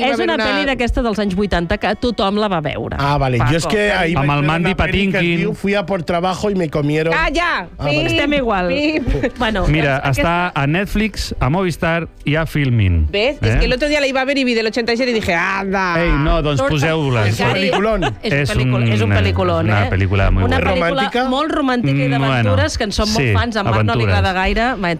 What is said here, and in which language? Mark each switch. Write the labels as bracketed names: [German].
[Catalan] És una pel·li d'aquesta dels anys 80 que tothom la va veure. Ah, vale. Jo és que ahir... Amb el Mandy Patinkin. [Spanish] Fui a por trabajo y me comieron... [Catalan] ¡Ah, ja! Estem igual. Bueno, mira, està a Netflix, a Movistar i a Filmin. [Spanish] ¿Ves? Es que el otro día la iba a ver y vi del 87 y dije, anda... [Catalan] Ei, no, doncs poseu-la. És un peliculón. És un peliculón, una pel·lícula molt bona. Una pel·lícula molt romàntica i d'aventures que en som molt fans. A Marc no li agrada gaire.